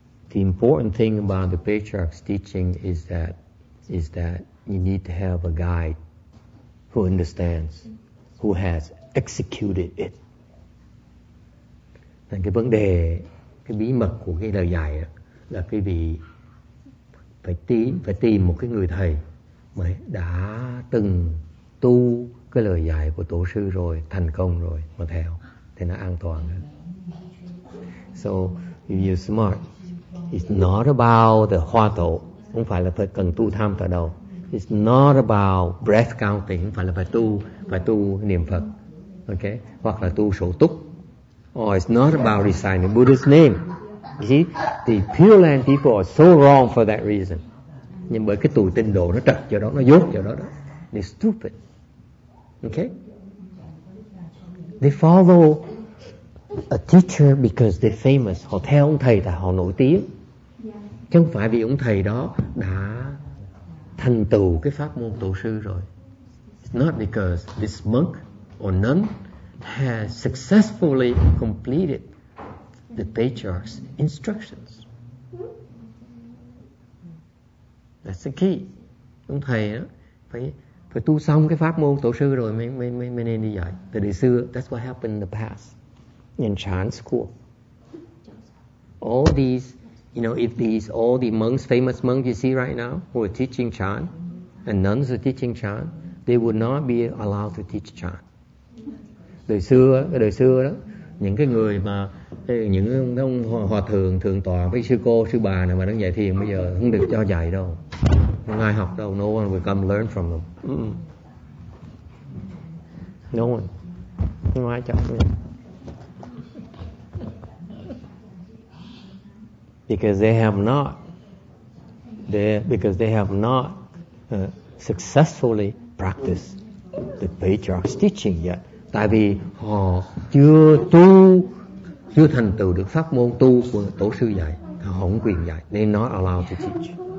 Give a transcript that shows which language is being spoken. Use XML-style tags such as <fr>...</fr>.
<en>The important thing about the patriarch's teaching is that you need to have a guide who understands, who has executed it.</en> <vi>Thành cái vấn đề, cái bí mật của cái lời dạy đó, là quý vị phải tìm một cái người thầy mà đã từng tu cái lời dạy của tổ sư rồi, thành công rồi mà theo thì nó an toàn hơn.</vi> <en>So if you're smart, it's not about the hoa tổ,</en> <vi>không phải là phải cần tu tham tọa đâu.</vi> <en>It's not about breath counting,</en> <vi>không phải là phải tu niệm Phật, okay, hoặc là tu sổ túc.</vi> <en>Or it's not about reciting the Buddha's name. You see, the Pure Land people are so wrong for that reason.</en> <vi>Nhưng bởi cái tụi tinh đồ nó trật cho đó, nó dốt cho đó.</vi> <en>They're stupid. Okay? They follow a teacher because they're famous.</en> <vi>Họ theo ông thầy tại họ nổi tiếng. Chứ không phải vì ông thầy đó đã thành tựu cái pháp môn tổ sư rồi.</vi> <en>Not because this monk or nun has successfully completed the patriarch's instructions. That's the key.</en> <vi>Ông thầy đó, phải tu xong cái pháp môn tổ sư rồi mới nên đi dạy. Từ đời xưa,</vi> <en>that's what happened in the past. In Chan school. All these, you know, if these, all the monks, famous monks you see right now, who are teaching Chan, and nuns are teaching Chan, they would not be allowed to teach Chan.</en> <vi>Đời xưa đó, những cái người mà những ông hòa thượng thượng tọa với sư cô sư bà này mà đang dạy thiền bây giờ không được cho dạy đâu, không ai học đâu.</vi> <en>No one will come learn from them. No one.</en> <vi>Không ai chọn được.</vi> <en>Because they have not successfully practiced the patriarch's teaching yet.</en> <vi>Tại vì họ chưa thành tựu được pháp môn tu của tổ sư dạy, họ không quyền dạy,</vi> <en>they not allowed to teach.</en>